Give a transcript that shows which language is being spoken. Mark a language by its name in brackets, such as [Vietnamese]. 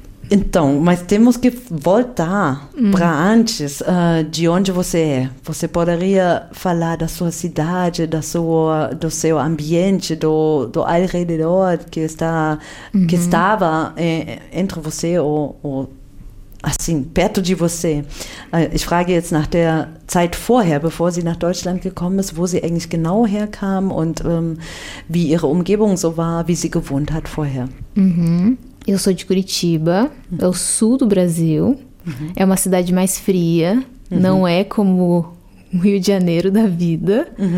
[Portuguese] Então, mas temos que voltar para antes, de onde você é. Você poderia falar da sua cidade, do seu ambiente, do ao redor que está, que estava entre você assim, perto de você. [German] Ich frage jetzt nach der Zeit vorher, bevor sie nach Deutschland gekommen ist, wo sie eigentlich genau herkam und wie ihre Umgebung so war, wie sie gewohnt hat vorher. [Portuguese] Eu sou de Curitiba, é o sul do Brasil, é uma cidade mais fria, não é como o Rio de Janeiro da vida.